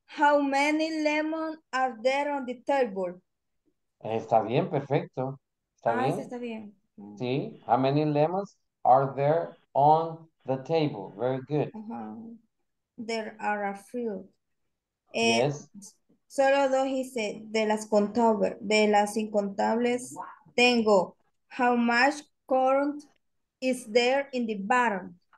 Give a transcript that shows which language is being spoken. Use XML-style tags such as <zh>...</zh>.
<en>How many lemons are there on the table?</en> <es>Está bien, perfecto. ¿Está ah, bien? Sí, está bien. Sí.</es> <en>How many lemons are there on the table? Very good. There are a few. Yes.</en> <es>Solo dos hice de las contables, de las incontables. Wow. Tengo.</es> <en>How much corn is there in the barn?</en>